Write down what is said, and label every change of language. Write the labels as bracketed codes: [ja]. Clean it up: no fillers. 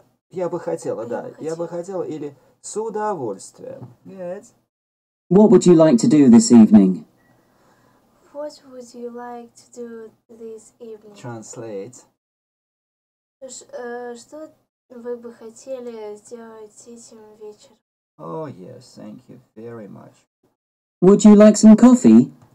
[ru] я бы хотела, или с удовольствием. Нет. [en] What would you like to do this evening? What would you like to do this evening? Translate. [ru] Что вы бы хотели сделать этим вечером? [en] Oh yes, thank you very much. Would you like some coffee?